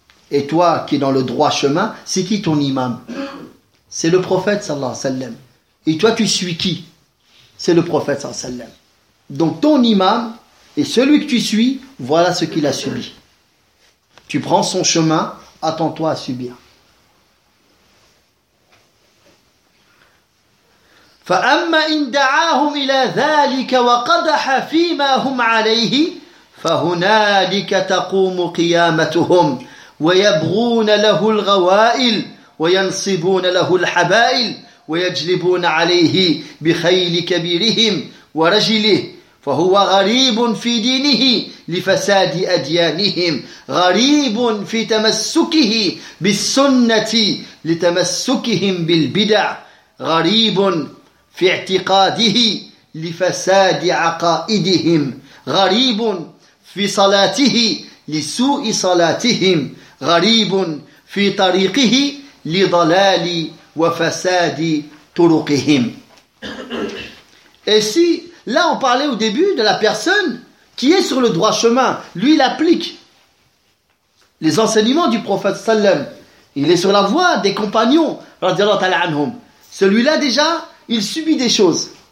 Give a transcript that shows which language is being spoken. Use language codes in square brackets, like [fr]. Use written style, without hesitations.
[fr] Et toi qui es dans le droit chemin, c'est qui ton imam? C'est le prophète sallallahu alayhi wa sallam. Et toi tu suis qui? C'est le prophète sallallahu alayhi wa sallam. Donc ton imam et celui que tu suis, voilà ce qu'il a subi. Tu prends son chemin, attends-toi à subir. [ar] فَأَمَّا إِنْ دَعَاهُمْ إِلَى ذَٰلِكَ وَقَدَحَ فِي مَا هُمْ عَلَيْهِ فَهُنَالِكَ تَقُومُ قِيَامَتُهُمْ وَيَبْغُونَ لَهُ الْغَوَائِلِ وَيَنْصِبُونَ لَهُ الْحَبَائِلِ وَيَجْلِبُونَ عَلَيْهِ بِخَيْلِ كَبِيرِهِمْ وَرَجِلِهِ فَهُوَ غَرِيبٌ فِي دِينِهِ لِفَسَادِ أَدْيَانِهِمْ غَرِيبٌ فِي تَمَسُّكِهِ بِالسُّنَّةِ لِتَمَسُّكِهِمْ بِالْبِدَعِ غريب في اعتقاده لفساد عقائدهم غريب في صلاته لسوء صلاتهم غريب في طريقه لضلال وفساد طرقهم. [fr] Et si là on parlait au début de la personne qui est sur le droit chemin, lui il applique les enseignements du prophète sallam, il est sur la voie des compagnons radiallahu ta'ala anhum. Celui-là, déjà, il subit des choses.